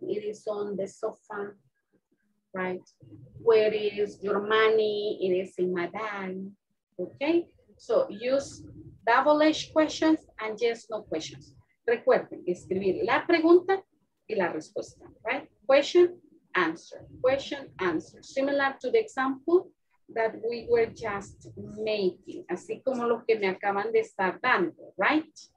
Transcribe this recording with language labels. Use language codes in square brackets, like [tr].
[en] It is on the sofa. Right? Where is your money? It is in my bag. Okay? So use double edge questions and yes, no questions. [es] Recuerden, escribir la pregunta y la respuesta, right? [en] Question, answer, question, answer. Similar to the example that we were just making. [es] Así como lo que me acaban de estar dando, right?